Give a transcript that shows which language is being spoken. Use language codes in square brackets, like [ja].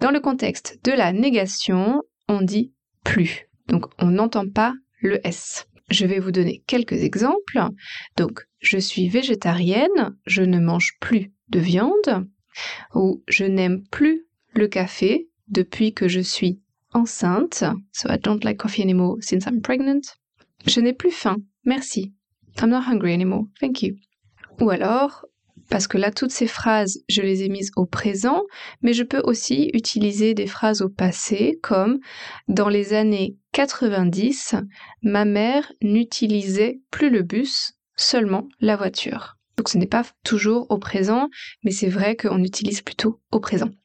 [fr] Dans le contexte de la négation, on dit « plus », donc on n'entend pas le « s ». Je vais vous donner quelques exemples. Donc, je suis végétarienne, je ne mange plus de viande, ou je n'aime plus le café depuis que je suis enceinte. [en] So I don't like coffee anymore since I'm pregnant. [fr] Je n'ai plus faim, merci. [en] I'm not hungry anymore, thank you. [fr] Ou alors, parce que là, toutes ces phrases, je les ai mises au présent, mais je peux aussi utiliser des phrases au passé, comme « Dans les années 90, ma mère n'utilisait plus le bus, seulement la voiture. » Donc, ce n'est pas toujours au présent, mais c'est vrai qu'on utilise plutôt au présent.